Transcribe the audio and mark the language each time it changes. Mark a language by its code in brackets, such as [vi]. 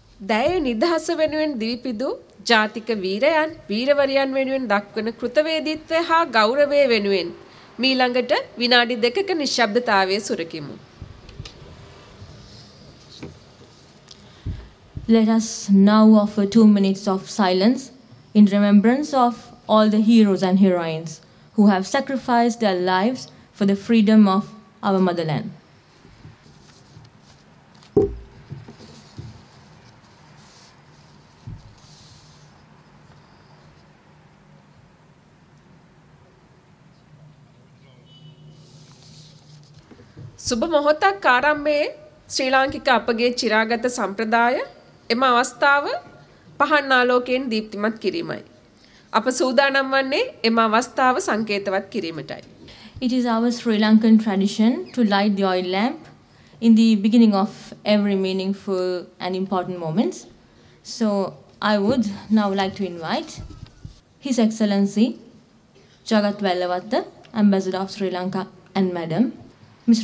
[si] දැයේ නිදහස වෙනුවෙන් දිවිපිදු ජාතික වීරයන් වීරවරියන් වෙනුවෙන් දක්වන කෘතවේදීත්වය හා ගෞරවය වෙනුවෙන් මීළඟට විනාඩි දෙකක නිශ්ශබ්දතාවය සුරකිමු. [en] Let us now offer 2 minutes of silence in remembrance of all the heroes and heroines who have sacrificed their lives for the freedom of our motherland. [si] සුබ මොහොතක් ආරම්භයේ ශ්‍රී ලාංකික අපගේ චිරාගත සම්ප්‍රදාය එම අවස්ථාව පහන් ආලෝකයෙන් දීප්තිමත් කිරීමයි. අප සූදානම් වන්නේ එම අවස්ථාව සංකේතවත් කිරීමටයි. [en] It is our Sri Lankan tradition to light the oil lamp in the beginning of every meaningful and important moments. So I would now like to invite His Excellency Jagat Vellavatta, Ambassador of Sri Lanka and Madam, Ms.